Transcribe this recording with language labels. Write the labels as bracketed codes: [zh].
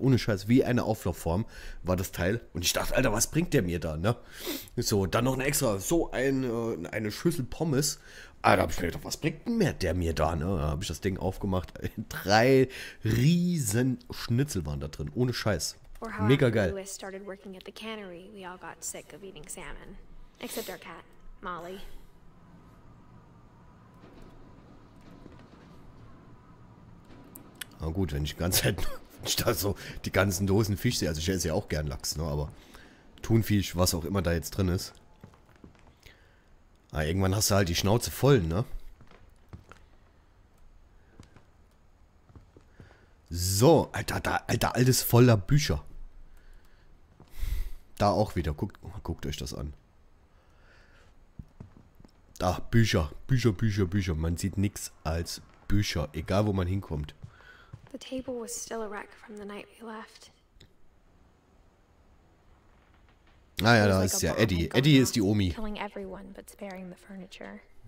[de] Ohne Scheiß, wie eine Auflaufform war das Teil. Und ich dachte, Alter, was bringt der mir da, ne? So, dann noch eine extra, so eine Schüssel Pommes. Alter, habe ich mir gedacht, was bringt denn der mir da, ne? Da habe ich das Ding aufgemacht. Drei riesen Schnitzel waren da drin, ohne Scheiß. Mega geil. [en] Louis started working at the cannery. We all got sick of eating salmon. Except our cat, Molly. [de] Na gut, wenn ich die ganze Zeit ich da so die ganzen Dosen Fisch sehe. Also ich esse ja auch gern Lachs, ne? Aber Thunfisch, was auch immer da jetzt drin ist. Aber irgendwann hast du halt die Schnauze voll, ne? So, Alter, alles voller Bücher. Da auch wieder, guckt euch das an. Da, Bücher. Man sieht nichts als Bücher, egal wo man hinkommt. [en] The table was still a wreck from the night we left. [de] Naja, da ist ja Eddie. Eddie ist die Omi. [en] Killing everyone but sparing the furniture.